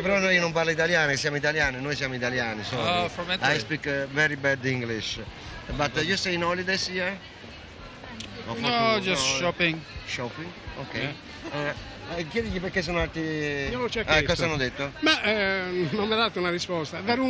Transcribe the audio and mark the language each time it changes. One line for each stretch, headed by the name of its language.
Italian: Io non parlo italiano, siamo italiani, noi siamo italiani.
English: Oh, from Italy. I speak very bad English. But you stay in holidays here? No, just shopping. Shopping? Ok. Yeah.
Italian: Chiedigli perché sono andati. Io l'ho chiesto. Cosa hanno detto? Ma non mi ha dato una risposta.